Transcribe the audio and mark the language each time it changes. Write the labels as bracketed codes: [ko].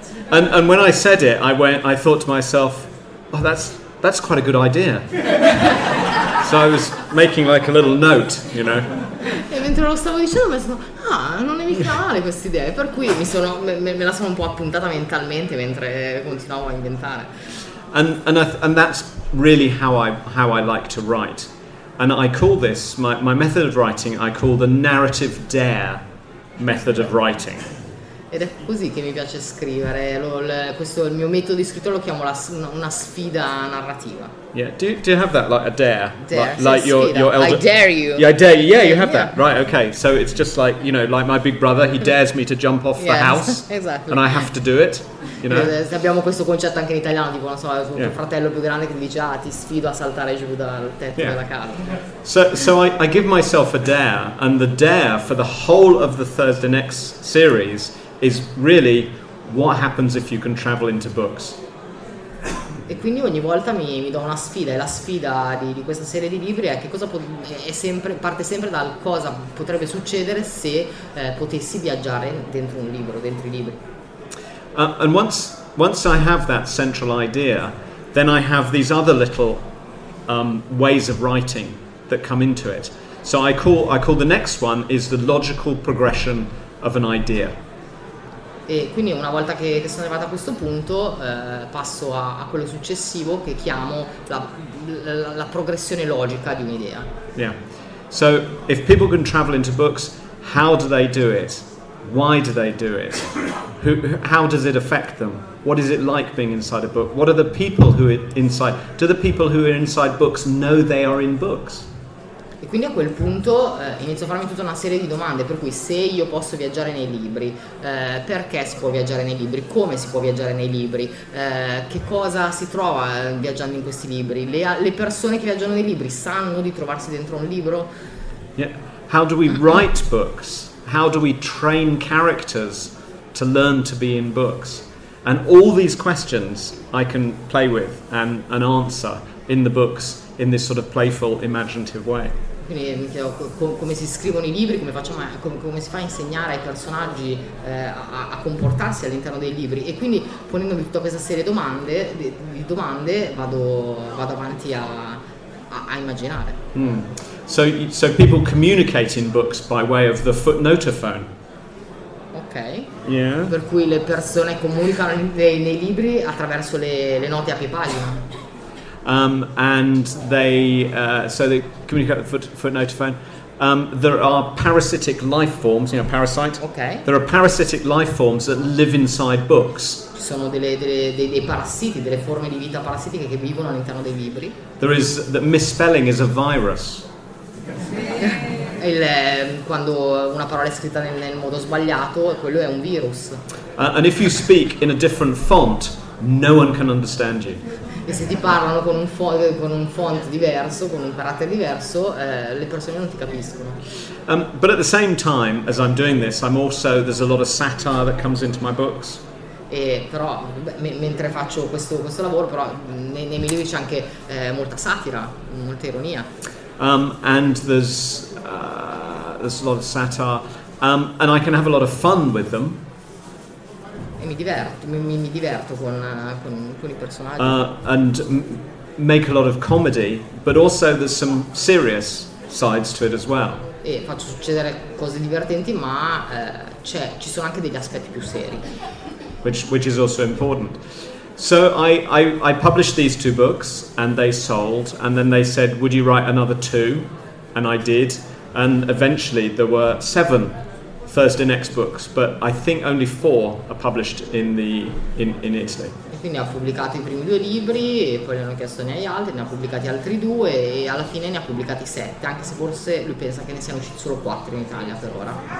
[en] And when I said it, I thought to myself, oh, that's quite a good idea. So I was making like a little note, you know. [it] E mentre lo stavo dicendo, mi sono non è mica male questa idea. Per cui me la sono un po' appuntata mentalmente mentre continuavo a inventare. [en] And that's really how I like to write. And I call this my method of writing. I call the narrative dare method of writing. [it] Ed è così che mi piace scrivere. Questo è il mio metodo di scrittura, lo chiamo una sfida narrativa. [en] Yeah, do you have that, like a dare? Dare, like your elder. I dare you. Yeah, I dare you. Yeah, you have that. Right, okay. So it's just like, you know, like my big brother, he dares me to jump off the house. Exactly. And I have to do it, you know. [it] Abbiamo questo concetto anche in italiano, tipo, non so, il tuo fratello più grande che ti dice, ti sfido a saltare giù dal tetto della casa. [en] So I give myself a dare, and the dare for the whole of the Thursday Next series is really what happens if you can travel into books. [it] E quindi ogni volta mi do una sfida, e la sfida di questa serie di libri è che cosa parte sempre dal cosa potrebbe succedere se potessi viaggiare dentro un libro, dentro i libri. [en] And once I have that central idea, then I have these other little ways of writing that come into it. So I call the next one is the logical progression of an idea. [it] E quindi una volta che sono arrivato a questo punto passo a quello successivo che chiamo la progressione logica di un'idea. Yeah. [en] So if people can travel into books, how do they do it? Why do they do it? How does it affect them? What is it like being inside a book? What are the people who are inside? Do the people who are inside books know they are in books? [it] E quindi a quel punto inizio a farmi tutta una serie di domande, per cui se io posso viaggiare nei libri, perché si può viaggiare nei libri, come si può viaggiare nei libri, che cosa si trova viaggiando in questi libri, le persone che viaggiano nei libri sanno di trovarsi dentro un libro? [en] Yeah. How do we write books? How do we train characters to learn to be in books? And all these questions I can play with and answer in the books in this sort of playful, imaginative way. [it] Quindi mi chiedo come si scrivono i libri, come si fa a insegnare ai personaggi a comportarsi all'interno dei libri, e quindi ponendomi tutta questa serie di domande vado avanti a immaginare. [en] So people communicate in books by way of the footnotophone. Ok. Yeah. [it] Per cui le persone comunicano nei libri attraverso le note a pagina. [en] And they communicate with the footnotophone. There are parasitic life forms, you know, parasite. Okay. There are parasitic life forms that live inside books. [it] Ci sono dei parassiti, delle forme di vita parassitiche che vivono all'interno dei libri. [en] There is that misspelling is a virus. [it] Quando una parola è scritta nel modo sbagliato, quello è un virus. [en] And if you speak in a different font, no one can understand you. [it] E se ti parlano con un font diverso, con un carattere diverso, le persone non ti capiscono. [en] But at the same time, as I'm doing this, I'm also, there's a lot of satire that comes into my books. [it] E però, mentre faccio questo lavoro, però nei miei libri c'è anche molta satira, molta ironia. [en] And there's a lot of satire, and I can have a lot of fun with them. [it] Mi diverto con i personaggi. [en] And make a lot of comedy, but also there's some serious sides to it as well. [it] E faccio succedere cose divertenti, ma ci sono anche degli aspetti più seri. [en] Which is also important. So I published these two books and they sold, and then they said, would you write another two? And I did, and eventually there were seven Thursday Next books, but I think only four are published in Italy. [it] E quindi ha pubblicato i primi due libri e poi ne hanno chiesto ne hai altri, ne ha pubblicati altri due e alla fine ne ha pubblicati sette, anche se forse lui pensa che ne siano usciti solo quattro in Italia per ora.